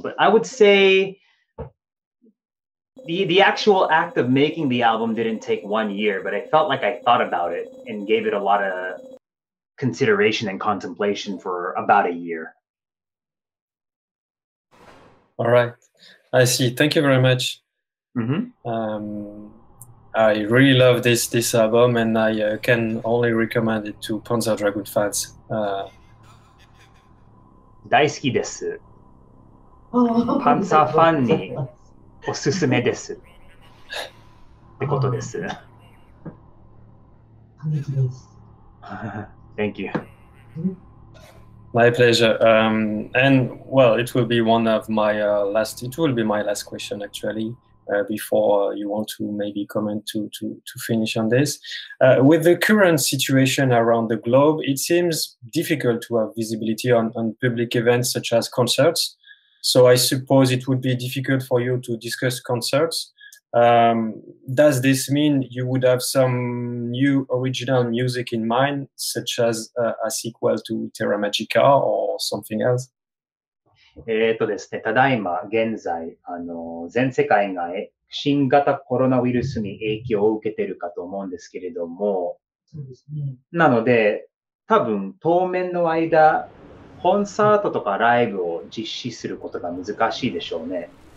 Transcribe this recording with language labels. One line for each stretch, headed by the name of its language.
English: But I would say the actual act of making the album didn't take 1 year, but I felt like I thought about it and gave it a lot of consideration and contemplation for about a year. All right. I see. Thank you very much. Mm-hmm. I really love this album, and I can only recommend it to Panzer Dragoon fans.
Japanese: 大好きです。パンサーファンにおすすめです。ってことです。感激です。
English: Thank you. My pleasure. And well, it will be one of my last. It will be my last question, actually, before you want to maybe comment to finish on this. With the current situation around the globe, it seems difficult to have visibility on public events such as concerts. So I suppose it would be difficult for you to discuss concerts. Does this mean you would have some new original music in mind, such as a sequel to Terra Magica or something else?
Japanese: ですね、ただいま現在全世界が新型コロナウイルスに影響を受けているかと思うんですけれども、そうですね、なので多分当面の間コンサートとかライブを実施することが難しいでしょうね。